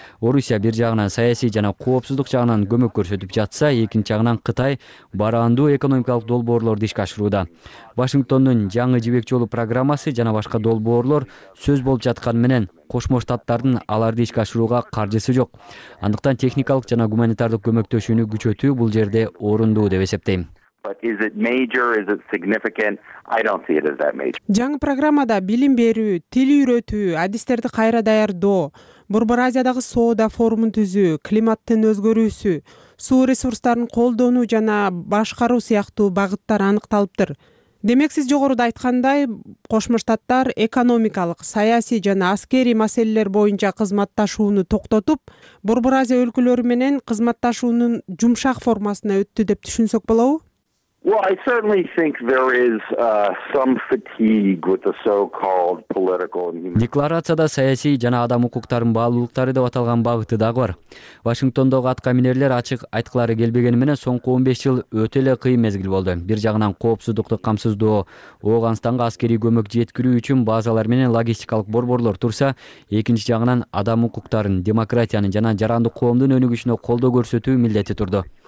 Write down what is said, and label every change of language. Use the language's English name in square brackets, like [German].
[Kyrgyz] Орусия бир жагынан саясий жана коопсуздук жагынан көмөк көрсөтүп жатса, экинчи жагынан Кытай бараандуу экономикалык долбоорлорду ишке ашырууда. Вашингтондун жаңы жибек жолу программасы жана башка долбоорлор сөз болуп жатканы менен Кошмо Штаттардын аларды ишке ашырууга каржысы жок. Андыктан техникалык жана гуманитардык көмөктөшүүнү күчөтүү бул жерде орундуу деп эсептейм. [English] But is it major, is it significant? I don't see it as that major. [Kyrgyz] Жаңы программада билим берүү, тил үйрөтүү, адистерди кайра даярдоо, Борбор Азиядагы соода форумун түзүү, климаттын өзгөрүүсү, суу ресурстарын колдонуу жана башкаруу сыяктуу багыттар аныкталыптыр. Демек сиз жогоруда айткандай, Кошмо Штаттар экономикалык, саясий жана аскерий маселелер боюнча кызматташууну токтотуп, Борбор Азия өлкөлөрү менен кызматташуунун жумшак формасына өттү деп түшүнсөк болобу? [English] Well, I certainly think there is some fatigue with the so-called political and human. [Kyrgyz] Декларацияда саясий жана адам укуктарын баалуулуктары деп аталган багыты дагы бар. Вашингтондогу аткаминерлер ачык айткылары келбегени менен соңку 15 жыл өтө эле кыйын мезгил болду. Бир жагынан коопсуздукту камсыздоо, Ооганстанга аскерий көмөк жеткирүү үчүн базалар менен логистикалык борборлор турса, экинчи жагынан адам укуктарын, демократияны жана жарандык коомдун өнүгүшүнө колдоо көрсөтүү милдети турду.